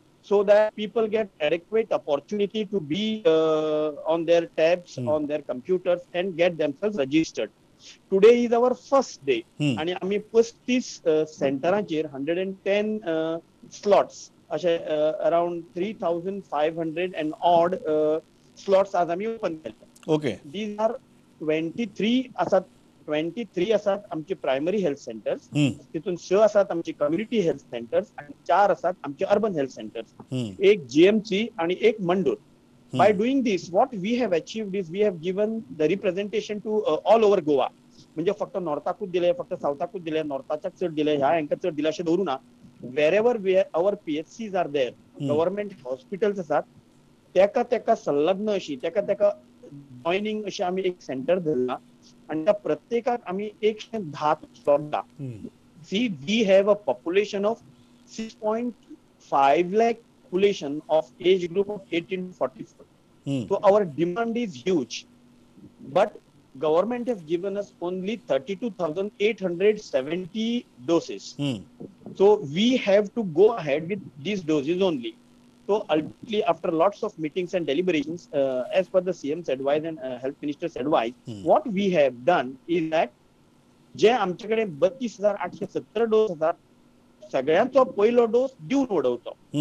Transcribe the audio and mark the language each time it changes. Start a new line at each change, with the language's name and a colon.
English: So that people get adequate opportunity to be on their tabs, on their computers, and get themselves registered. Today is our first day. And we have 110 slots, around 3,500 and odd slots as we open. Okay. These are 23 primary health centers,
Goan Konkani: तितून 6 असतात आमचे community health centres आणि 4 असतात आमचे urban health centres, एक GMC आणि एक मंडोर.
English: By doing this what we have achieved is we have given the representation to all over Goa.
Goan Konkani: म्हणजे फक्त नॉर्थाकूच दिले, फक्त साऊथाकूच दिले, नॉर्थाच्याच चढ दिले, ह्या यांच्या चढ दिले असे धरू ना.
English: wherever we our PHCs are there,
Goan Konkani: government hospitals असतात, त्याका संलग्न अशी त्याका जॉईनिंग असे आम्ही एक सेंटर धरला. आणि त्या प्रत्येकात आम्ही 110 slot.
English: See we have a population of 6.5 lakh population of age group of 18-44. So our demand is huge, but government has given us only 32,870 doses. So we have to go ahead with these doses only. So ultimately, after lots of meetings and deliberations, as per the CM's advice and health minister's advice, what we have done is that
Goan Konkani: je amchakade 32,870 doses asat sagyancho pahilo dose deun odavto.